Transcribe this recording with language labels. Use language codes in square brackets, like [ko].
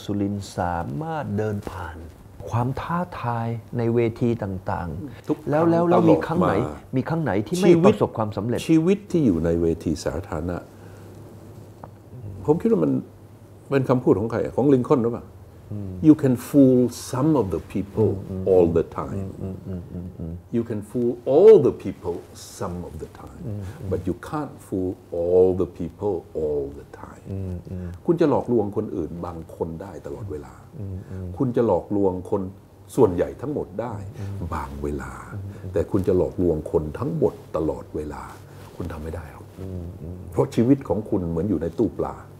[th] สุรินทร์สามารถเดินผ่านความท้าทายในเวทีต่างๆแล้วมีครั้งไหนที่ไม่ประสบความสำเร็จ ชีวิตที่อยู่ในเวทีสาธารณะผมคิดว่ามันเป็นคำพูดของใครของลินคอล์นหรือเปล่า [en] You can fool some of the people all the time. You can fool all the people some of the time. But you can't fool all the people all the time. [th] คุณจะหลอกลวงคนอื่นบางคนได้ตลอดเวลาคุณจะหลอกลวงคนส่วนใหญ่ทั้งหมดได้บางเวลาแต่คุณจะหลอกลวงคนทั้งหมดตลอดเวลาคุณทำไม่ได้หรอกเพราะชีวิตของคุณเหมือนอยู่ในตู้ปลา